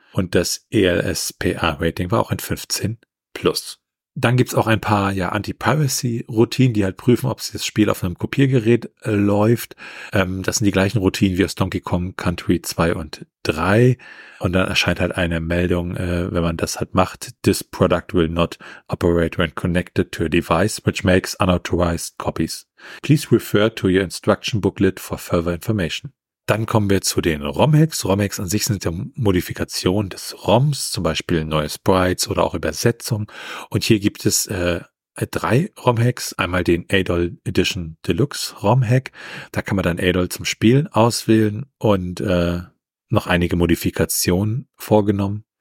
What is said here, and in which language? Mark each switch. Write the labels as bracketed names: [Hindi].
[German] Und das ELSPA-Rating war auch ein 15+. Dann gibt's auch ein paar ja Anti-Piracy-Routinen, die halt prüfen, ob das Spiel auf einem Kopiergerät läuft. Das sind die gleichen Routinen wie aus Donkey Kong Country 2 und 3. Und dann erscheint halt eine Meldung, wenn man das halt macht. [English] This product will not operate when connected to a device which makes unauthorized copies. Please refer to your instruction booklet for further information. [German] Dann kommen wir zu den ROM-Hacks. ROM-Hacks an sich sind ja Modifikationen des ROMs, zum Beispiel neue Sprites oder auch Übersetzung. Und hier gibt es drei ROM-Hacks. Einmal den Adol Edition Deluxe ROM-Hack. Da kann man dann Adol zum Spielen auswählen und noch einige Modifikationen vorgenommen.